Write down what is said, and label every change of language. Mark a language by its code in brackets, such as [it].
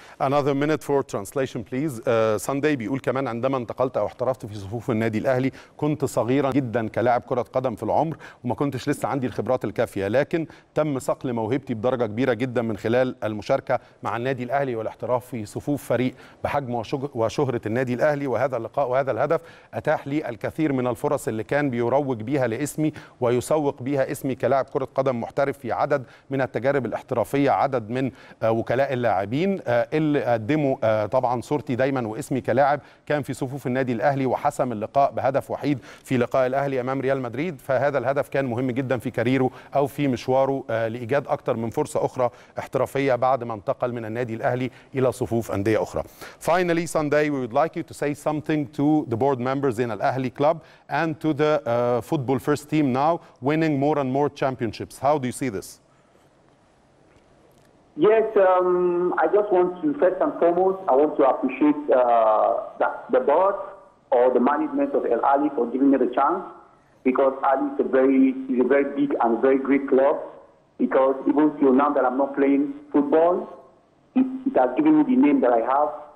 [en] Another minute for translation, please. [ar] صنداي بيقول كمان عندما انتقلت أو احترفت في صفوف النادي الأهلي كنت صغيرا جدا كلاعب كرة قدم في العمر وما كنتش لسه عندي الخبرات الكافية، لكن تم صقل موهبتي بدرجة كبيرة جدا من خلال المشاركة مع النادي الأهلي والاحتراف في صفوف فريق بحجم وشهرة النادي الأهلي، وهذا اللقاء وهذا الهدف أتاح لي الكثير من الفرص اللي كان بيروج بيها لإسمي ويسوق بيها إسمي كلاعب كرة قدم محترف في عدد من التجارب الاحترافية، عدد من وكلاء اللاعبين اللي قدموا طبعا صورتي دايما واسمي كلاعب كان في صفوف النادي الاهلي وحسم اللقاء بهدف وحيد في لقاء الاهلي امام ريال مدريد، فهذا الهدف كان مهم جدا في كاريره او في مشواره لايجاد اكثر من فرصه اخرى احترافيه بعد ما انتقل من النادي الاهلي الى صفوف انديه اخرى. [en] Finally, Sunday, we would like you to say something to the board members in Al Ahly club and to the football first team now winning more and more championships. How do you see this? Yes, I just want to, first and foremost, I want to appreciate the board or the management of El Ali for giving me the chance, because Ali is a very big and very great club, because even till now that I'm not playing football, it has given me the name that I have.